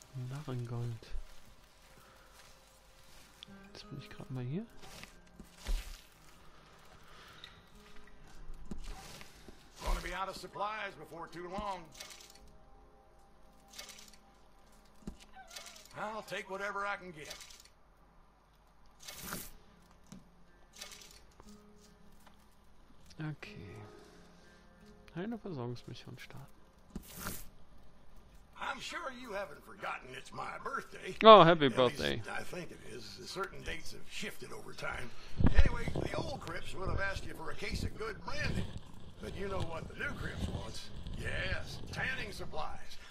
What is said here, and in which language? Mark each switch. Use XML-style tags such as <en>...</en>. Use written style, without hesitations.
<de>Narrengold. Jetzt bin ich gerade mal hier.</de> <en>Gonna be out of supplies before too long. I'll take whatever I can get. Okay.</en> <de>Eine Versorgungsmission starten.</de> <en>I'm sure you haven't forgotten it's my birthday. Oh, happy birthday. I think it is. Certain dates have shifted over time. Anyway, the old Crips would have asked you for a case of good brandy. But you know what the new Crips wants? Yes, tanning supplies.</en>